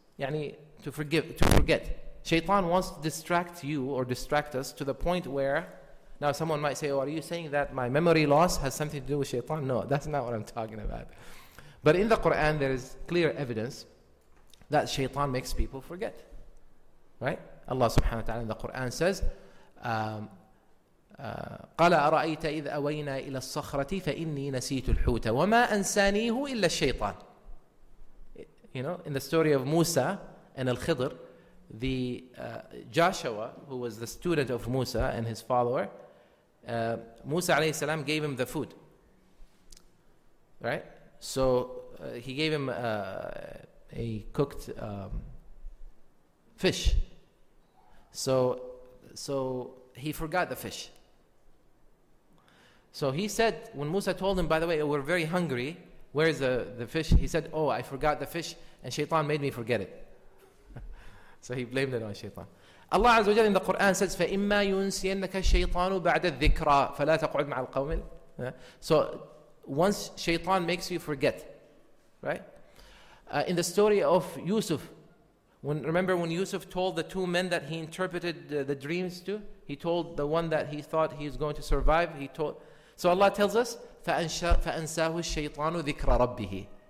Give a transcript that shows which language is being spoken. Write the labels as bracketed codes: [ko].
[en] Yani, to forgive, to forget. Shaitan wants to distract you or distract us to the point where, now someone might say, oh, are you saying that my memory loss has something to do with Shaitan? No, that's not what I'm talking about. But in the Quran, there is clear evidence that Shaitan makes people forget. Right? Allah subhanahu wa ta'ala in the Quran says, [ar] قَالَ أَرَأَيْتَ إِذْ أَوَيْنَا إِلَى الصَّخْرَةِ فَإِنِّي نَسِيتُ الْحُوتَ وَمَا أَنْسَانِيهُ إِلَّا الشَّيْطَانِ. [en] You know, in the story of Musa and Al-Khidr, the Joshua, who was the student of Musa and his follower, Musa alayhi salam gave him the food. Right? So he gave him a cooked fish. So he forgot the fish. So he said, when Musa told him, by the way, we're very hungry, where is the fish? He said, oh, I forgot the fish, and Shaitan made me forget it. So he blamed it on Shaitan. Allah Azza wa Jalla in the Quran says, [ar] فَإِمَّا يُنْسِيَنَّكَ الشَّيْطَانُ بَعْدَ الذِّكْرَى فَلَا تَقْعُدْ مَعَ الْقَوْمِ. [en] So once Shaitan makes you forget, right? In the story of Yusuf, when Yusuf told the two men that he interpreted the dreams to, he told the one that he thought he was going to survive, he told. So Allah tells us, [ar] فَأَنْسَاهُ الشَّيْطَانُ ذِكْرَ رَبِّهِ.